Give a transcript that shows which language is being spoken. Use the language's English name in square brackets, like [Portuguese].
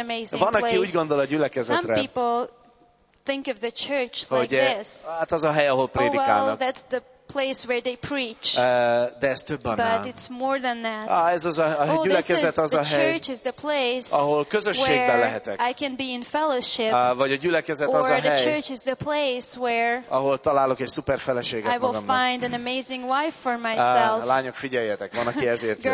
[Hungarian] Van, aki úgy gondol a gyülekezetre, [English] think of the church like [Hungarian] hogy, [English] this. [Hungarian] Hát az a hely, ahol prédikálnak. [English] Oh, well, that's the place where they preach. [Hungarian] De ez több annál. [English] But it's more than that. [Hungarian] Ez az a gyülekezet, az a hely, ahol közösségben lehetek. [English] I can be in fellowship. [Hungarian] Vagy a gyülekezet az a hely, ahol találok egy szuper feleséget magamnak. [English] I will find an amazing wife for myself. [Hungarian] Lányok, figyeljetek, van, aki ezért jön.